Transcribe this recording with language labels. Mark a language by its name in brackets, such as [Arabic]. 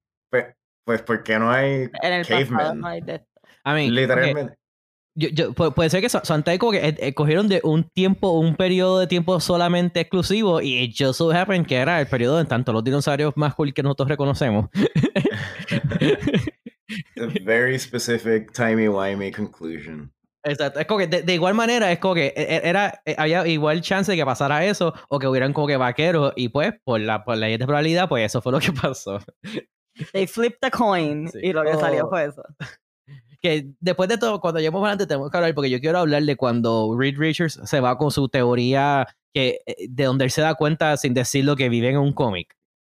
[Spanish] Pues ¿por qué no hay en el [English] cavemen? [Spanish] Pasado no hay de esto. [English] I mean, [Spanish] literalmente. Okay. Yo, puede ser que Santa como que cogieron de un periodo de tiempo solamente exclusivo y [English] it just so happened [Spanish] que era el periodo en tanto los dinosaurios más cool que nosotros reconocemos. [English] A very specific timey-wimey conclusion. [Spanish] Exacto. Es como que de igual manera, es como que era, había igual chance de que pasara eso o que hubieran como que vaqueros. Y pues, por la ley de probabilidad, pues eso fue lo que pasó. [English] They flipped the coin, [Spanish] sí. Y lo que salió fue eso. Que después de todo, cuando lleguemos adelante, tenemos que hablar, porque yo quiero hablar de cuando Reed Richards se va con su teoría, que de donde él se da cuenta sin decirlo que vive en un cómic.